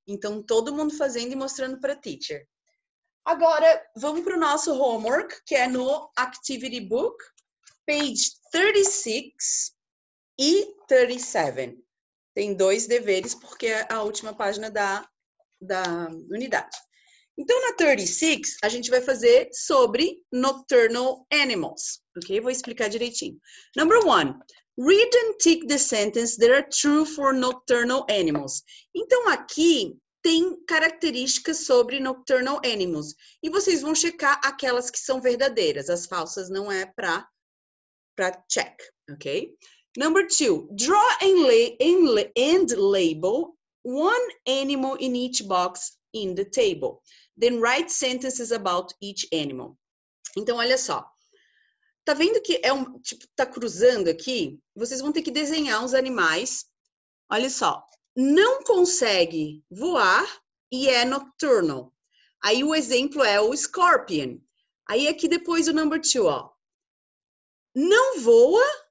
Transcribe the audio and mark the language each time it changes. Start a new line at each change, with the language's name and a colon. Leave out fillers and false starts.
Portuguese: Então, todo mundo fazendo e mostrando para a teacher. Agora, vamos para o nosso homework, que é no Activity Book, page 36. E 37. Tem 2 deveres, porque é a última página da unidade. Então, na 36, a gente vai fazer sobre nocturnal animals, ok? Vou explicar direitinho.
English: Number one, read and tick the sentence that are true for nocturnal animals.
Portuguese: Então, aqui tem características sobre nocturnal animals. E vocês vão checar aquelas que são verdadeiras. As falsas não é para check, ok?
English: Number two, draw and label one animal in each box in the table. Then write sentences about each animal.
Portuguese: Então, olha só. Tá vendo que é um, tipo, tá cruzando aqui? Vocês vão ter que desenhar os animais. Olha só. Não consegue voar e é nocturnal. Aí o exemplo é o scorpion. Aí aqui depois o number two, ó. Não voa.